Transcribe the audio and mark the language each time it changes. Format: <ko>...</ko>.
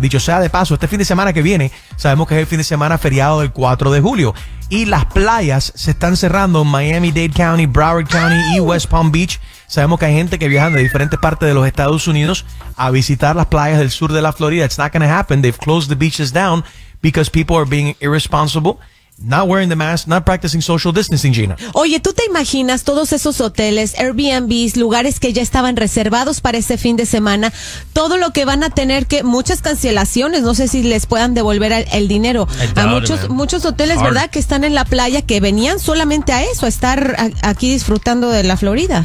<es>Dicho sea de paso, este fin de semana que viene, sabemos que es el fin de semana feriado del 4 de julio. Y las playas se están cerrando en Miami-Dade County, Broward County y West Palm Beach. Sabemos que hay gente que viaja de diferentes partes de los Estados Unidos a visitar las playas del sur de la Florida.</es> <en>It's not going to happen. They've closed the beaches down because people are being irresponsible. Not wearing the mask, not practicing social distancing, Gina.</en> <es>Oye, ¿tú te imaginas todos esos hoteles, Airbnbs, lugares que ya estaban reservados para ese fin de semana? Todo lo que van a tener que, muchas cancelaciones, no sé si les puedan devolver el dinero. A muchos, muchos hoteles, ¿verdad? Que están en la playa, que venían solamente a eso, a estar aquí disfrutando de la Florida.</es>